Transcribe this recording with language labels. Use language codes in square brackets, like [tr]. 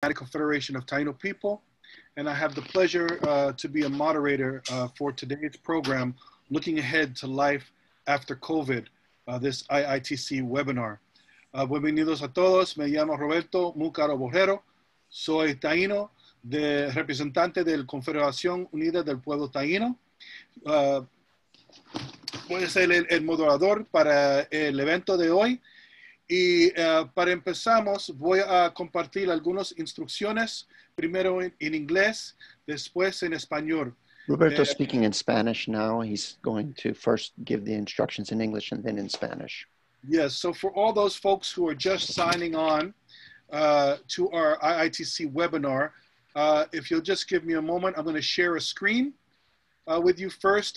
[en] Confederation of Taino People, and I have the pleasure to be a moderator for today's program, Looking Ahead to Life After COVID, this IITC webinar. [es] Bienvenidos a todos. Me llamo Roberto, muy caro Borrero. Soy Taino, de representante del Confederación Unida del Pueblo Taino. Voy a ser el moderador para el evento de hoy. Y para empezamos, voy a compartir algunas instrucciones, primero en inglés, después en español. [en] Roberto speaking in Spanish now. He's going to first give the instructions in English and then in Spanish. Yes, so for all those folks who are just signing on to our IITC webinar, if you'll just give me a moment, I'm going to share a screen with you first.